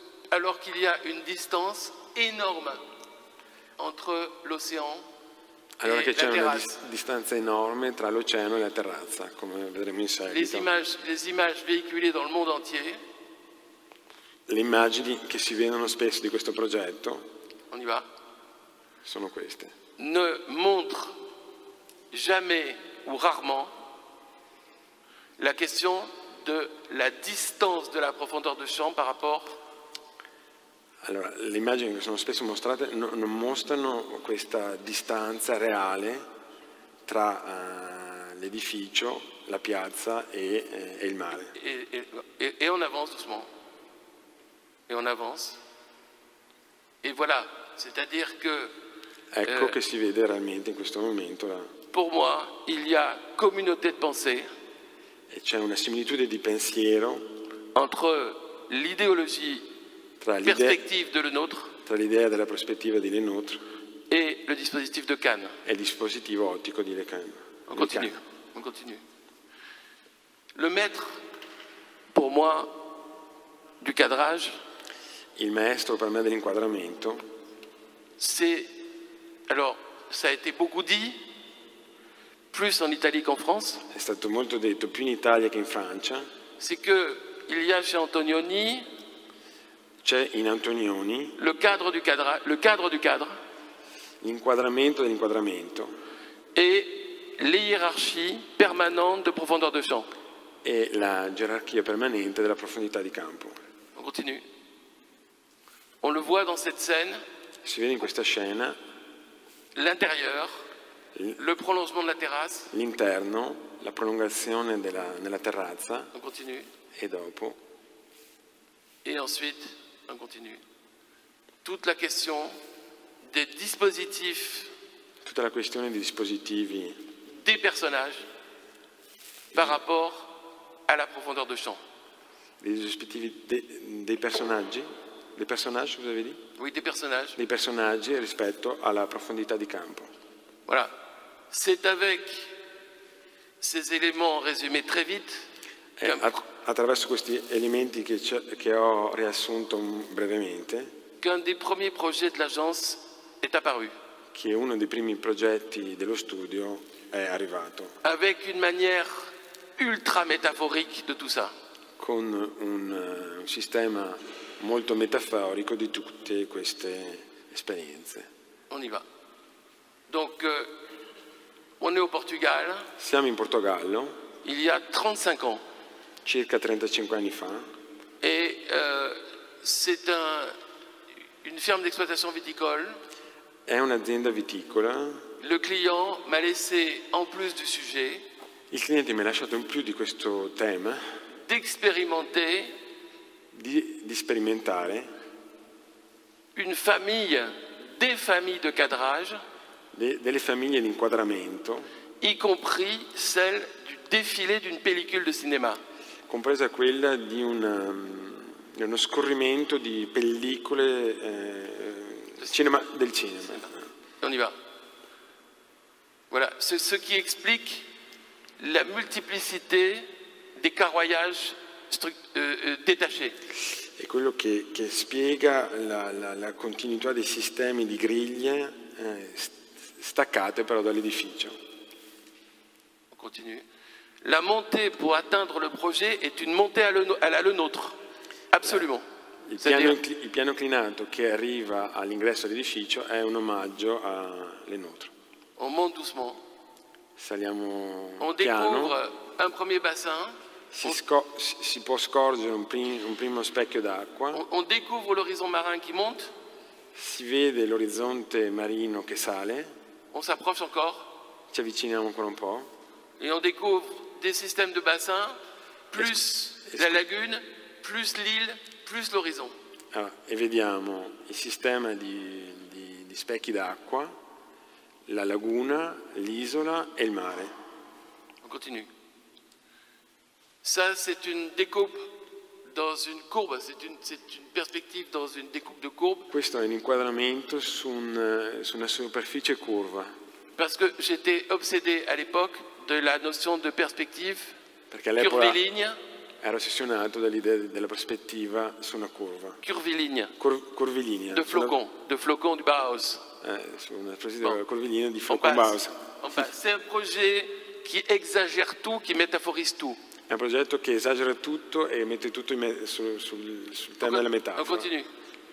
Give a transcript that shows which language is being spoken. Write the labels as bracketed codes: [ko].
[fr] Alors qu'il y a une distance énorme entre l'océan et la terrazza. [it] Allora che c'è una distanza enorme tra l'oceano e la terrazza, come vedremo in seguito. [fr] Les images véhiculées dans le monde entier. [it] Le immagini che si vedono spesso di questo progetto. [fr] On y va. [it] Sono queste. [fr] Ne montre jamais ou rarement la question de la distance de la profondeur de champ par rapport. [it] Allora, le immagini che sono spesso mostrate non mostrano questa distanza reale tra l'edificio, la piazza e il mare. [fr] E on avance doucement. Et on avance. Et voilà, c'est-à-dire que. [it] Ecco che si vede realmente in questo momento. [fr] Là. Pour moi, il y a communauté de pensée. [it] E c'è una similitudine di pensiero [fr] entre l'idéologie perspective de le nôtre [it] tra l'idea della prospettiva di Le Nôtre [fr] et le dispositif de Kahn. [it] E il dispositivo ottico di Le Kahn. [fr] On continue. Le maître, pour moi, du cadrage. [it] Il maestro per me dell'inquadramento. [fr] C'est alors ça a été beaucoup dit. Plus en Italie qu'en France. [it] È stato molto detto più in Italia che in Francia. [fr] C'est que il y a chez Antonioni. [it] C'è in Antonioni. [fr] Le cadre du cadre. [it] L'inquadramento dell'inquadramento. [fr] Et l'hierarchie permanente de profondeur de champ. [it] E la gerarchia permanente della profondità di campo. [fr] On continue. On le voit dans cette scène. [it] Si vede in questa scena. [fr] L'intérieur. Le prolongement de la terrasse. [it] L'interno, la prolongazione della terrazza. [fr] On continue. Et [it] dopo. [fr] Et ensuite, on continue. Toute la question des dispositifs. [it] Tutta la questione dei dispositivi. [fr] Des personnages par rapport à la profondeur de champ. Des dispositifs des personnages. Des personnages, vous avez dit? Oui, des personnages. Des personnages [it] rispetto alla profondità di campo. [fr] Voilà. C'est avec ces éléments résumés très vite. [it] Attraverso questi elementi che ho riassunto brevemente. [fr] Qu'un des premiers projets de l'agence est apparu. [it] Che uno dei primi progetti dello studio è arrivato. [fr] Avec une manière ultra métaphorique de tout ça. [it] Con un sistema molto metaforico di tutte queste esperienze. [fr] On y va. Donc on est au Portugal. [it] Siamo in Portogallo. [fr] Il y a 35 ans. [it] Circa 35 anni fa. [fr] Et c'est une ferme d'exploitation viticole. [it] È un'azienda viticola. [fr] Le client m'a laissé en plus du sujet. [it] Il cliente mi ha lasciato in più di questo tema. [fr] D'expérimenter. [it] Di sperimentare. [fr] Une famille, des familles de cadrage. [it] Delle famiglie di inquadramento. [fr] Y compris celle du défilé d'une pellicule de cinéma. [it] Compresa quella di uno scorrimento di pellicole del cinema. [fr] On y va. Voilà, c'est ce qui explique la multiplicité des carroyages détachés. [it] È quello che spiega la continuità dei sistemi di griglie staccate però dall'edificio. [fr] On continue. La montée pour atteindre le projet est une montée à la nôtre. Absolument. [it] Il piano inclinato che arriva all'ingresso dell'edificio è un omaggio a le nôtre. [fr] On monte doucement. [it] Saliamo [fr] on [it] piano. [fr] Découvre un premier bassin. [it] Si può scorgere un primo specchio d'acqua. [fr] On découvre l'horizon marin qui monte. [it] Si vede l'orizzonte marino che sale. [fr] On s'approche encore. [it] Ci avviciniamo ancora un po'. [fr] Et on découvre des systèmes de bassins plus la lagune, plus l'île, plus l'horizon. [it] Ah, e vediamo il sistema di specchi d'acqua, la laguna, l'isola e il mare. [fr] On continue. Ça, c'est une découpe dans une courbe, c'est une perspective dans une découpe de courbe. [it] Questo è un inquadramento su una superficie curva. [fr] Parce que j'étais obsédé à l'époque de la notion de perspective. [it] Perché all'epoca curviligne, ero ossessionato dall'idea della prospettiva su una curva. [fr] Curviligne. Curviligne. De flocon du Bauhaus. [it] Su una prospettiva bon. Curviligne di flocon Bauhaus. [fr] C'est un projet qui exagère tout, qui métaphorise tout. [it] È un progetto che esagera tutto e mette tutto sul tema della metafora.